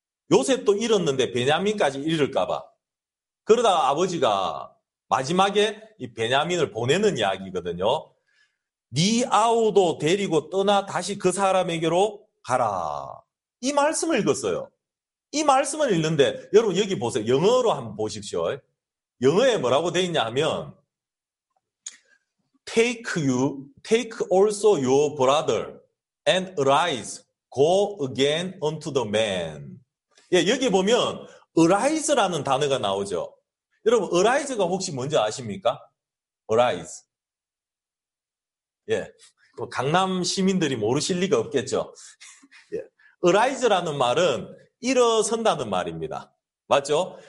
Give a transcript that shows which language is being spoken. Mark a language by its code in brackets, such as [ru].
[ko] 요셉도 잃었는데 베냐민까지 잃을까 봐. 그러다가 아버지가 마지막에 이 베냐민을 보내는 이야기거든요. 네 아우도 데리고 떠나 다시 그 사람에게로 가라. 이 말씀을 읽었어요. 이 말씀을 읽는데 여러분 여기 보세요. 영어로 한번 보십시오. 영어에 뭐라고 돼 있냐 하면 [en] take also your brother and arise go again unto the man. [ko] 예, 여기 보면 arise라는 단어가 나오죠. 여러분 arise가 혹시 뭔지 아십니까? arise. 예. 강남 시민들이 모르실 리가 없겠죠. 예. arise라는 말은 일어선다는 말입니다. 맞죠?